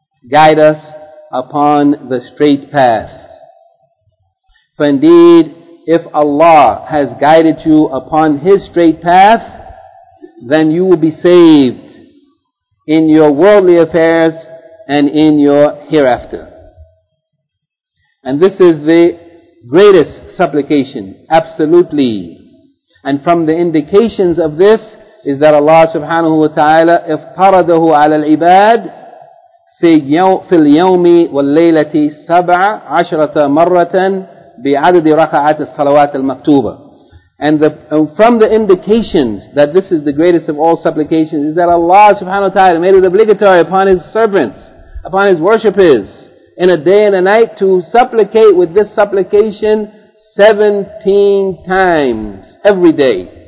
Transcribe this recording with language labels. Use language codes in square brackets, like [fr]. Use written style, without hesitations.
[en] Guide us upon the straight path. For indeed, if Allah has guided you upon His straight path, then you will be saved in your worldly affairs and in your hereafter. And this is the greatest supplication, absolutely. And from the indications of this is that Allah subhanahu wa ta'ala [ar] افترضه على العباد في اليوم والليلة سبع عشرة مرة بعدد ركعات الصلوات المكتوبة. [en] And from the indications that this is the greatest of all supplications is that Allah subhanahu wa ta'ala made it obligatory upon His servants, upon His worshippers, in a day and a night to supplicate with this supplication 17 times every day.